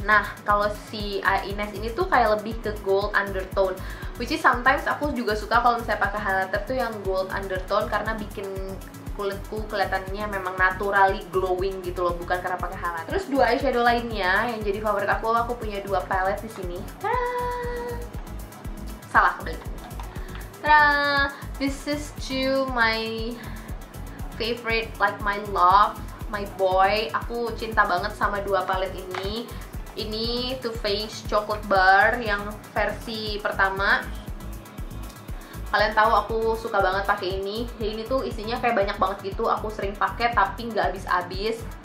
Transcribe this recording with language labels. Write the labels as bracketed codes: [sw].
[id] Nah, kalau si Ines ini tuh kayak lebih ke gold undertone, which is sometimes aku juga suka kalau misalnya pakai highlighter tuh yang gold undertone, karena bikin kulitku kelihatannya memang naturally glowing gitu loh, bukan karena pakai highlighter. Terus dua eyeshadow lainnya yang jadi favorit aku punya dua palette di sini. Tadaa! Salah kebalik. Tadaa! [en] This is to my favorite, like my love, my boy. [id] Aku cinta banget sama dua palette ini. Ini Too Faced Chocolate Bar yang versi pertama. Kalian tahu aku suka banget pakai ini. Jadi ini tuh isinya kayak banyak banget gitu. Aku sering pakai tapi nggak habis-habis.